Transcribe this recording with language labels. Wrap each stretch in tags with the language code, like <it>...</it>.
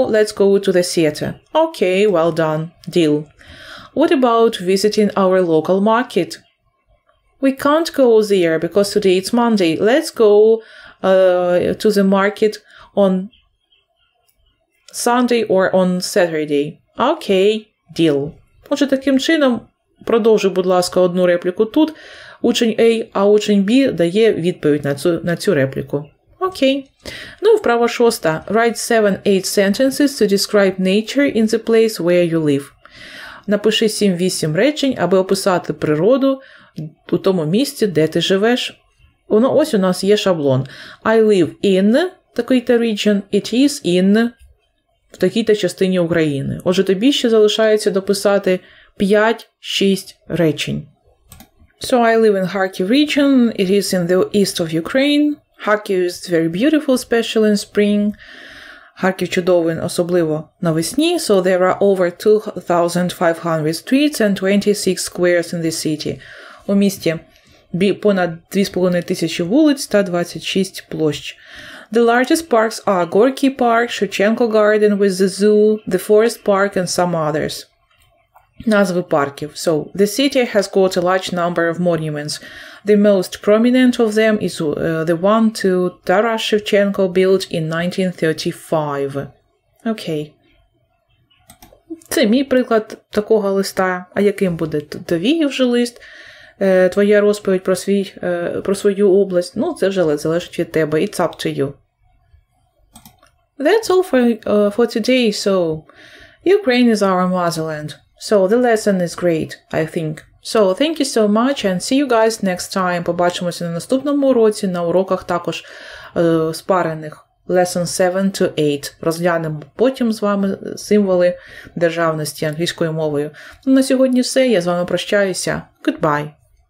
<en>Let's go to the theater. Okay, well done. Deal. What about visiting our local market? We can't go there because today it's Monday. Let's go to the market on Sunday or on Saturday. Okay, deal.</en> <uk>Отже, таким чином, продовжу, будь ласка, одну репліку тут. Учень A, а учень B дає відповідь на цю репліку.</uk> <en>Okay.</en> <uk>Ну, вправа шоста.</uk> <en>Write 7-8 sentences to describe nature in the place where you live.</en> <uk>Напиши 7-8 речень, аби описати природу у тому місці, де ти живеш. Воно, ось у нас є шаблон.</uk> <en>I live in</en> <uk>такий-то region.</uk> <en>It is in</en> <uk>в такій-то частині України. Отже, тобі ще залишається дописати 5-6 речень.</uk> <en>So, I live in Kharkiv region. It is in the east of Ukraine. Kharkiv is very beautiful, especially in spring.</en> <uk>Kharkiv чудовий, особливо навесні.</uk> <en>So, there are over 2,500 streets and 26 squares in the city.</en> <uk>У місті понад 2,500 вулиць та 26 площ.</uk> <en>The largest parks are Gorky Park, Шевченко Garden with the zoo, the Forest Park and some others.</en> <uk>Назви парків.</uk> <en>So, the city has got a large number of monuments. The most prominent of them is the one to Taras Shevchenko built in 1935. Okay.</en> <uk>Це мій приклад такого листа. А яким буде твій вже лист? Твоя розповідь про свою область? Ну, це вже залежить від тебе.</uk> <en>It's up to you. That's all for today, so Ukraine is our motherland. So the lesson is great, I think. So thank you so much and see you guys next time.</en> <uk>Побачимося на наступному уроці на уроках також спарених.</uk> <en>Lesson 7 to 8.</en> <uk>Розглянемо потім з вами символи державності англійською мовою. На сьогодні все, я з вами прощаюся.</uk> <en>Goodbye.</en>